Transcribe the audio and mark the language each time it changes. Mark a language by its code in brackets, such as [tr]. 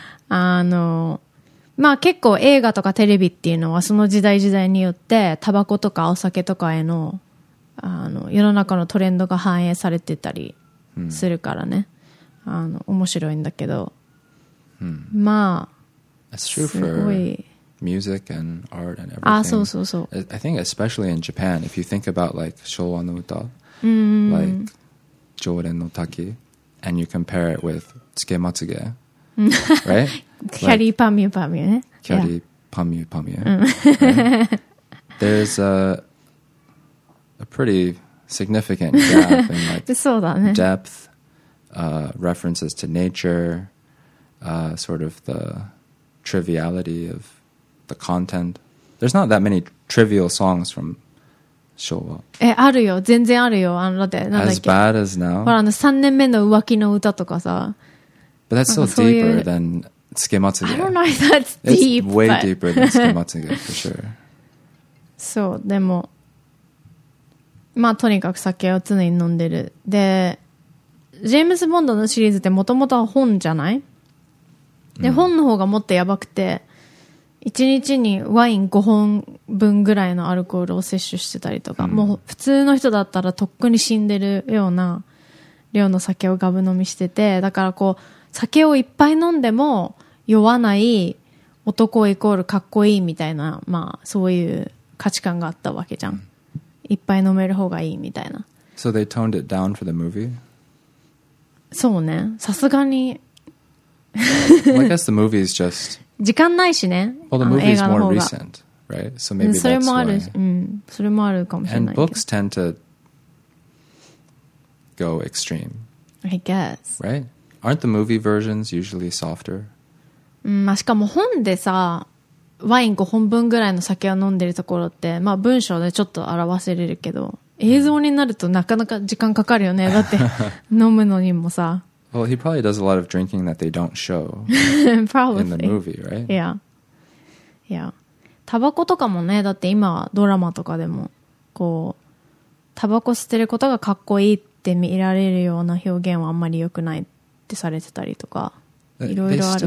[ja] あのまあ結構映画とかテレビっていうのはその時代時代によってタバコとかお酒とかへの、 あの世の中のトレンドが反映されてたりするからね、mm. あの面白いんだけど、 mm. まあ [en] That's true for music and art and everything. [ja] あそうそうそう [en] I think especially in Japan if you think about like 昭和の歌、 mm. like 常連の滝 and you compare it withつけまつげ、right? [ja] キャリーパミューパミューね。キャリーパミューパミュー。うん、 [en] There's a pretty significant gap in like [ja] そうだ、ね、 [en] depth, references to nature, sort of the triviality of the content. There's not that many trivial songs from 昭和。 [ja] え、あるよ、全然あるよ、あのだって、なんだっけ。 [en] As bad as now. [ja] ほら、あの3年目の浮気の歌とかさ。 [en] But that's still deeper than つけまつげ。 I don't know if that's deep. It's way deeper than つけまつげ for sure. [ja] そう、でも、まあとにかく酒を常に飲んでる。で、ジェームズ・ボンドのシリーズってもともとは本じゃない？で、本の方がもっとやばくて、1日にワイン5本分ぐらいのアルコールを摂取してたりとか、もう普通の人だったらとっくに死んでるような量の酒をガブ飲みしてて、だからこう、酒をいっぱい飲んでも酔わない男イコールかっこいいみたいな、まあそういう価値観があったわけじゃん。いっぱい飲める方がいいみたいな。 [en] So they toned it down for the movie? [ja] そうね。さすがに。 [en] Well, I guess the movie is just [ja] 時間ないしね。 [en] Well, the movie is more recent, right? So maybe that's why. [ja] それもある、うん、それもあるかもしれないけど。 [en] And books tend to go extreme. I guess. Right? Aren't the movie versions usually softer? [ja] まあしかも本でさ、ワイン5本分ぐらいの酒を飲んでるところって、まあ文章でちょっと表せれるけど、映像になるとなかなか時間かかるよね。だって飲むのにもさ。 [en] Well, he probably does a lot of drinking that they don't show probably. in the movie, right? Yeah. Yeah. [ja] タバコとかもね、だって今ドラマとかでも、こう、タバコ吸ってることがかっこいいって見られるような表現はあんまり良くない。ってされてたりとか、いろいろある。